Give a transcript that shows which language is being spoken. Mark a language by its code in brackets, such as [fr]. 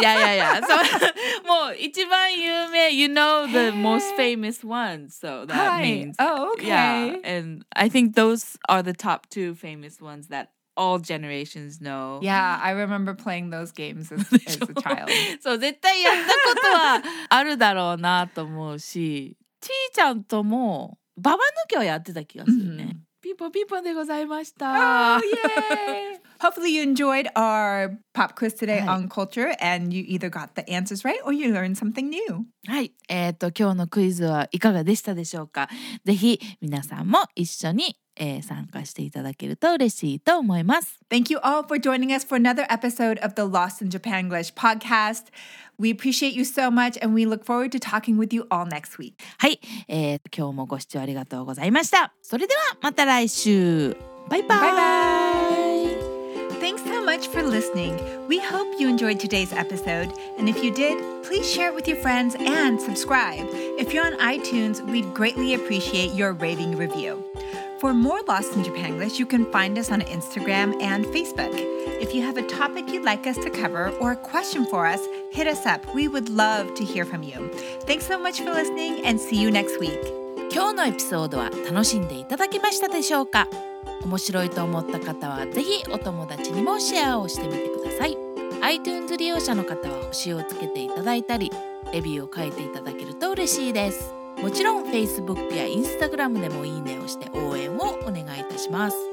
[en] Yeah, yeah, yeah. So, [ja] もう一番有名、 [en] you know the most famous one. So that、 Hi. means, oh, okay. Yeah, and I think those are the top two famous ones that. All generations know. Yeah, I remember playing those games as a child. [ja] そう、絶対やったことはあるだろうなと思うし、ちーちゃんともババ抜きをやってた気がするね。ピンポンピンポンでございました。 [en] Oh, yay! Hopefully you enjoyed our pop quiz today on culture, and you either got the answers right or you learned something new. [ja] はい、今日のクイズはいかがでしたでしょうか。ぜひ皆さんも一緒に。参加していただけると嬉しいと思います。 [en] Thank you all for joining us for another episode of the Lost in Japan English podcast. We appreciate you so much and we look forward to talking with you all next week. [ja] はい、今日もご視聴ありがとうございました。それではまた来週。バイバイ。バイバイ。 [en] Thanks so much for listening. We hope you enjoyed today's episode. And if you did, please share it with your friends and subscribe. If you're on iTunes, we'd greatly appreciate your rating review. For more Lost in Japanglish, you can find us on Instagram and Facebook. If you have a topic you'd like us to cover or a question for us, hit us up. We would love to hear from you. Thanks so much for listening and see you next week. [ja] 今日のエピソードは楽しんでいただけましたでしょうか?面白いと思った方はぜひお友達にもシェアをしてみてください。 iTunes 利用者の方は星をつけていただいたり、レビューを書いていただけると嬉しいです。もちろん Facebook や Instagram でもいいねをして応援をお願いいたします。